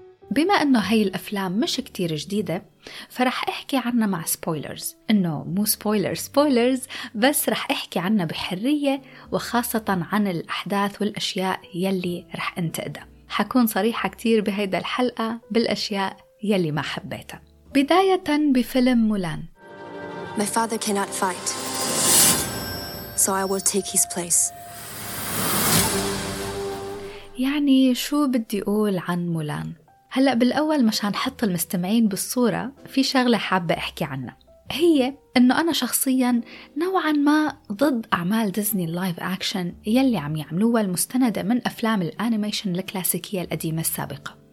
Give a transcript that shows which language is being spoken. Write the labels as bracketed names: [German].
[Arabic] بما أنه هاي الأفلام مش كتير جديدة، فرح أحكي عنها مع سبويلرز، أنه مو سبويلرز، بس رح أحكي عنها بحرية، وخاصة عن الأحداث والأشياء يلي رح انتقدها. حكون صريحة كتير بهيدا الحلقة بالأشياء يلي ما حبيتها. بداية بفيلم مولان. [English] My father cannot fight, so I will take his place. [Arabic] يعني شو بدي أقول عن مولان؟ هلأ بالأول مشان حط المستمعين بالصورة، في شغلة حابة أحكي عنها، هي أنه أنا شخصياً نوعاً ما ضد أعمال ديزني اللايف أكشن يلي عم يعملوها المستندة من أفلام الأنيميشن الكلاسيكية القديمة السابقة.